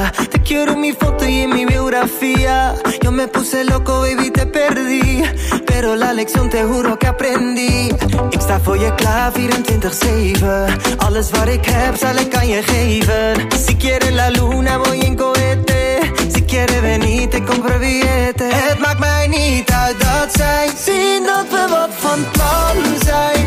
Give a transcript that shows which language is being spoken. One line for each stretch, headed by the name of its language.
Spanish: Te quiero mi foto y mi biografía. Yo me puse loco, baby, te perdí. Pero la lección te juro que aprendí.
Dutch: Ik sta voor je klaar 24/7. Alles wat ik heb zal ik aan je geven.
Spanish: Si quiere la luna voy en cohete. Si quiere venir te compro billete.
Dutch: Het maakt mij niet uit dat zij zien dat we wat van plan zijn.